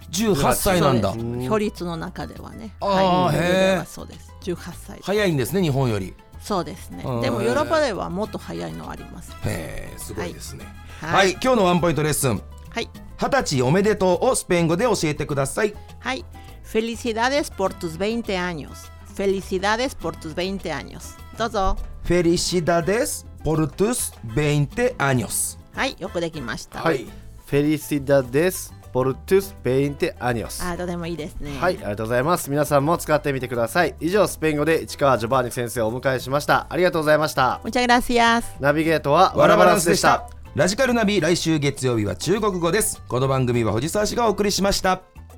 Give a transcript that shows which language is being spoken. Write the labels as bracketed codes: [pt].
[ja] 18歳なんだ。距離の中ではね。あ、はい、へではそうです。18歳早いんですね、日本より。そうですね、でもヨーロッパではもっと早いのあります。へえ、すごいですね。はいはい、はい、今日のワンポイントレッスン、はい、 20歳おめでとうをスペイン語で教えてください。 [es] はい、 Felicidades por tus 20 años. Felicidades por tus 20 años. [ja] どうぞ。 [es] Felicidades por tus 20 años. [ja] はい、よくできました。 [es] はい、 Felicidades por tus 20 años. [ja] あ、どうでもいいですね。はい、ありがとうございます。皆さんも使ってみてください。以上、スペイン語で市川ジョバーニ先生をお迎えしました。ありがとうございました。 [es] Muchas gracias. [ja] ナビゲートはワラバランスでした。ラジカルナビ、来週月曜日は中国語です。この番組は藤沢市がお送りしました。